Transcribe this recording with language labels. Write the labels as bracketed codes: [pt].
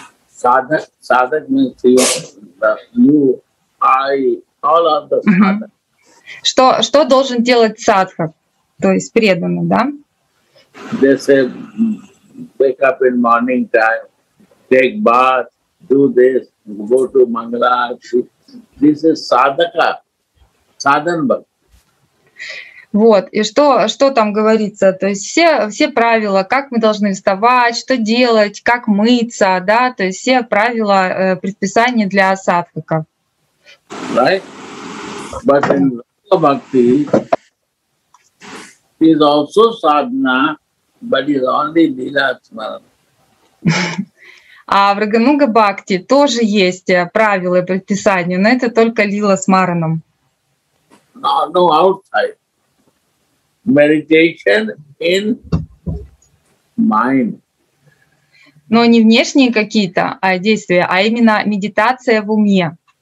[en] Sadhak means you, I, all of the sadhak. [ru] Что должен делать садха, то есть преданный, да? [en] They say, wake up in morning time, take bath, do this, go to Mangala. This is sadhaka, sadhana. [ru] Вот, и что там говорится? То есть все правила, как мы должны вставать, что делать, как мыться, да, то есть все правила предписания для садхака. [en] Right? But in Rupa Bhakti is also sadhana, but is only lila smarana. [ru] А в Рагануга Бхакти тоже есть правила предписания, но это только лила смаранам. [en] No outside. Meditation in mind. [ru] Но не внешние какие-то действия, а именно медитация в уме.